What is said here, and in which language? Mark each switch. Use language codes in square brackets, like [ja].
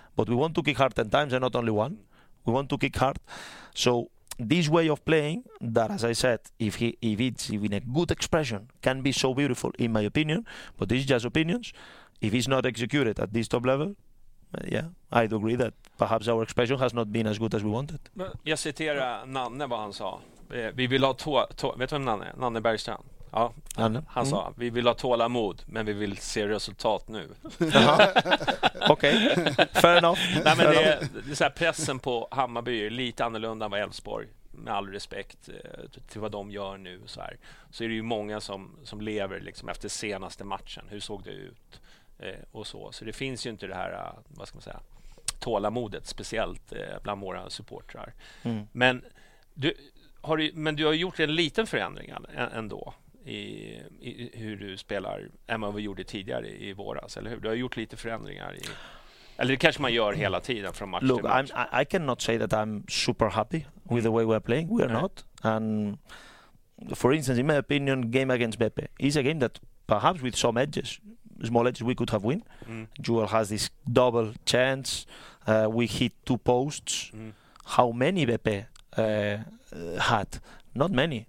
[en] But we want to kick hard 10 times and not only one. We want to kick hard. So this way of playing that, as I said, if it's even a good expression, can be so beautiful, in my opinion. But this is just opinions. If it's not executed at this top level, yeah, I agree that perhaps our expression has not been as good as we wanted. [sv] Jag citerar Nanne, vad han sa. Vi vill ha två, vet du vem Nanne är? Nanne Bergstrand. Ja, han sa, vi vill ha tålamod, men vi vill se resultat nu. [en] Okej, fair enough. [sv] Nej, men det är så här, pressen på Hammarby är lite annorlunda än vad Elfsborg, med all respekt till vad de gör nu. Så, här. Så är det ju många som lever liksom efter senaste matchen. Hur såg det ut? Och så det finns ju inte det här, vad ska man säga, tålamodet, speciellt bland våra supportrar. Mm. Men du har gjort en liten förändring ändå i hur du spelar än vad vi gjorde tidigare i våras, eller hur? Du har gjort lite förändringar i, eller det kanske man gör hela tiden från match [en] Look, [sv] till match. [en] I cannot say that I'm super happy with the way we're playing. We are not. And for instance, in my opinion, game against Beppe is a game that perhaps with some edges, small edges, we could have win. Mm. Jewel has this double chance. We hit two posts. Mm. How many Beppe had? Not many.